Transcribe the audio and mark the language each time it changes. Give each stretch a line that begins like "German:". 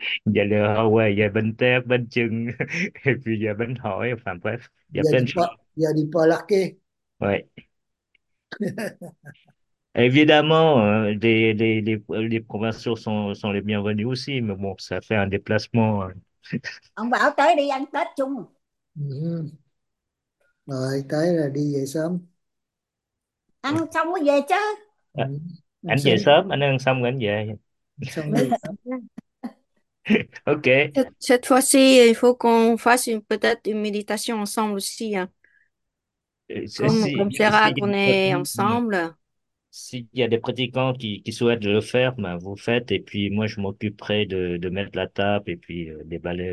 French: Y a le Hawaï, il y a Bonne Terre, Bonne Chung, et puis il y a Bonne Hawaï, enfin bref, il y a plein de choses. Il y a du pas larqué. Ouais. Évidemment, les provinciaux sont les bienvenus aussi, mais bon, ça fait un déplacement.
Vietnamese: Ông bảo tới đi ăn Tết chung. Rồi tới là đi về sớm. Ăn xong mới về chứ. Anh về sớm, anh ăn xong rồi anh về. Xong về sớm. Ok.
French: Cette fois-ci, il faut qu'on fasse peut-être une méditation ensemble aussi. Hein. Comme c'est rare qu'on est ensemble. S'il y a des pratiquants qui souhaitent le faire, ben vous faites et puis moi je m'occuperai de mettre la table et puis déballer un